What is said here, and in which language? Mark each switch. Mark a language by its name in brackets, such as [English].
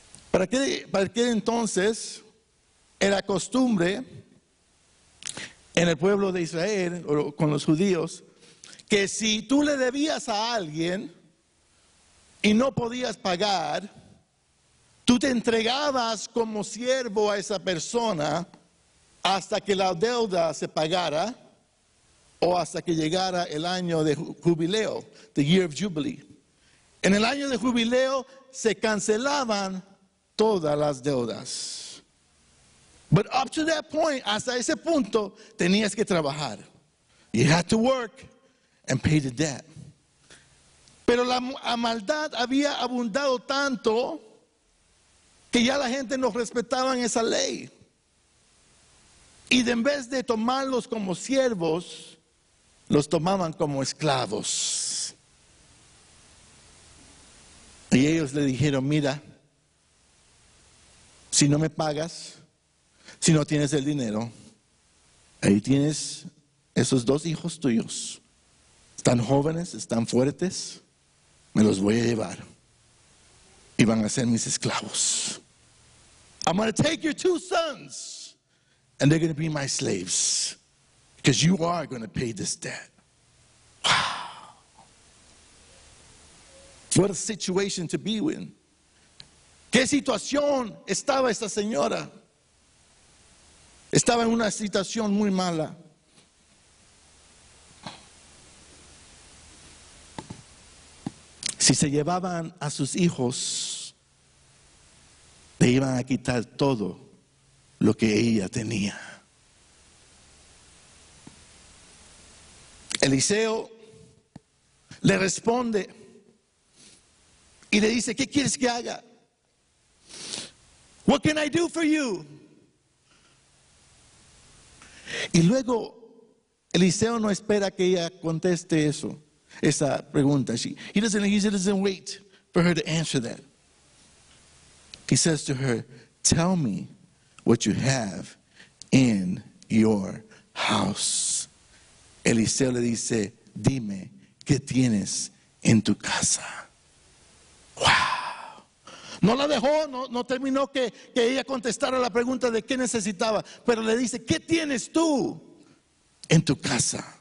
[Spanish] ¿Para qué entonces era costumbre en el pueblo de Israel o con los judíos que si tú le debías a alguien y no podías pagar, tú te entregabas como siervo a esa persona hasta que la deuda se pagara o hasta que llegara el año de jubileo, [English] the year of jubilee? [Spanish] En el año de jubileo se cancelaban todas las deudas. [English] But up to that point, [Spanish] hasta ese punto, tenías que trabajar. [English] You had to work and pay the debt. [Spanish] Pero la maldad había abundado tanto que ya la gente no respetaba esa ley. Y en vez de tomarlos como siervos, los tomaban como esclavos. Y ellos le dijeron, mira, si no me pagas, si no tienes el dinero, ahí tienes esos dos hijos tuyos. Están jóvenes, están fuertes, me los voy a llevar y van a ser mis esclavos. [English] I'm going to take your two sons and they're going to be my slaves because you are going to pay this debt. Wow. What a situation to be in. [Spanish] ¿Qué situación estaba esta señora? Estaba en una situación muy mala. Si se llevaban a sus hijos, le iban a quitar todo lo que ella tenía. Eliseo le responde y le dice, ¿qué quieres que haga? [English] What can I do for you? [Spanish] Y luego Eliseo no espera que ella conteste eso, esa pregunta. [English] He doesn't wait for her to answer that. He says to her, tell me what you have in your house. [Spanish] Eliseo le dice, dime qué tienes en tu casa. [English] Wow. [Spanish] No la dejó, no terminó que ella contestara la pregunta de qué necesitaba, pero le dice, ¿qué tienes tú en tu casa?